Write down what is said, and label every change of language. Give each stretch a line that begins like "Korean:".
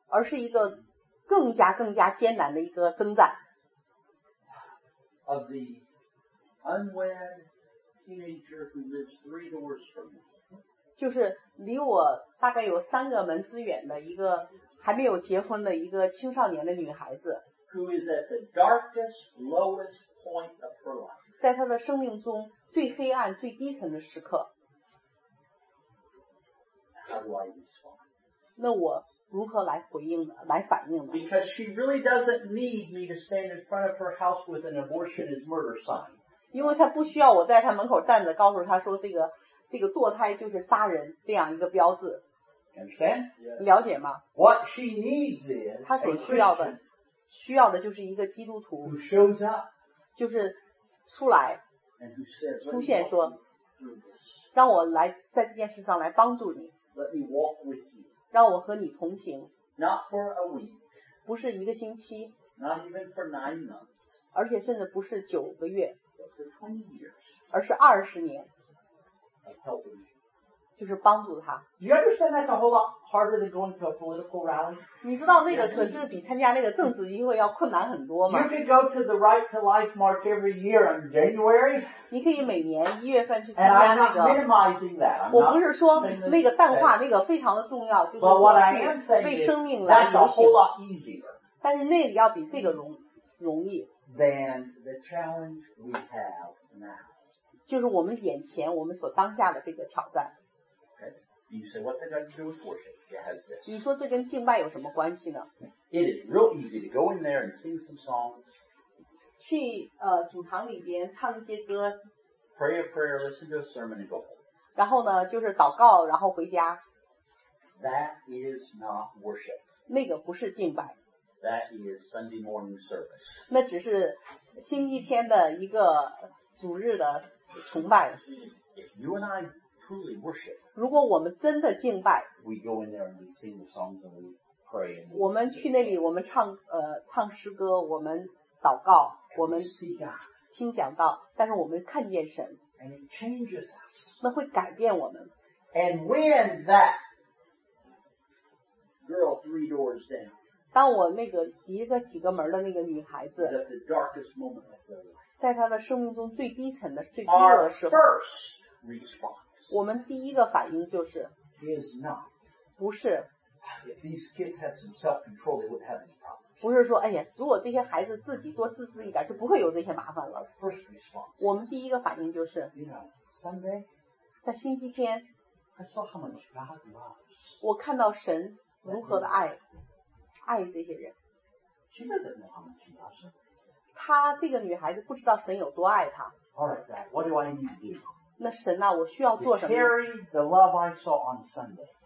Chinese: 而是一个更加更加艰难的一个征战
English: of the unwed teenager who lives 3 doors from me,
Chinese: 就是离我大概有3个门之远的一个还没有结婚的一个青少年的女孩子
English: who is at the darkest lowest point of her life,
Chinese: 在她的生命中最黑暗最低层的时刻
English: do I respond?
Chinese: 那我如何来回应呢？来反应呢？
English: Because she really doesn't need me to stand in front of her house with an abortion is murder sign.
Chinese: 因为她不需要我在她门口站着告诉她说这个堕胎就是杀人这样一个标志。
English: Understand?
Chinese: 了解吗？
English: What she needs is
Chinese: 她所需要的就是一个基督徒
English: who shows up,
Chinese: 就是出来
English: and who says,
Chinese: 出现说让我来在这件事上来帮助你
English: Let me walk with you.
Chinese: 让我和你同行
English: Not for a week,
Chinese: 不是一个星期
English: Not even for 9 months,
Chinese: 而且甚至不是九个月
English: But for 20 years,
Chinese: 而是二十年
English: of helping you.
Chinese: 就是帮助他
English: Do you understand that's a whole lot harder than going to a political rally?
Chinese: 你知道那个可是比参加那个政治机会要困难很多吗
English: You can go to the Right to Life March every year in January.
Chinese: 你可以每年一月份去参加那个
English: And I'm not minimizing that.
Chinese: 我不是说那个淡化那个非常的重要就是我去为生命来游行
English: That's a whole lot easier.
Chinese: 但是那个要比这个容易
English: Than the challenge we have now.
Chinese: 就是我们眼前我们所当下的这个挑战
English: You say, what's that got to do with worship? It has this.
Chinese: 你说这跟敬拜有什么关系呢?
English: It is real easy to go in there and sing some songs.
Chinese: 去主堂里边唱一些歌。
English: Pray a prayer, listen to a sermon and go home.
Chinese: 然后呢就是祷告然后回家。
English: That is not worship.
Chinese: 那个不是敬拜。
English: That is Sunday morning service.
Chinese: 那只是星期天的一个主日的崇拜。
English: If you and I truly worship,
Chinese: 如果我们真的敬拜
English: we go in there and we sing the songs and we pray.
Chinese: 我们去那里我们唱诗歌我们祷告我们听讲道但是我们看见神
English: and it changes us.
Chinese: 那会改变我们
English: and when that girl three doors down,
Chinese: 当我那个一个几个门的那个女孩子
English: is at the darkest moment of her life.
Chinese: 在她的生命中最低层的最低的时候
English: our firstresponse
Chinese: 我们第一个反应就是
English: is not
Chinese: 不是
English: if these kids had some self-control they would have these problems
Chinese: 不是说哎呀如果这些孩子自己多自私一点就不会有这些麻烦了
English: first response
Chinese: 我们第一个反应就是
English: you know Sunday
Chinese: 在星期天
English: I saw how much God loves
Chinese: 我看到神如何的爱 爱这些人
English: she doesn't know how much God loves
Chinese: 她这个女孩子不知道神有多爱她
English: alright dad what do I need to do
Chinese: 那神啊我需要做什么
English: carry the love I saw on Sunday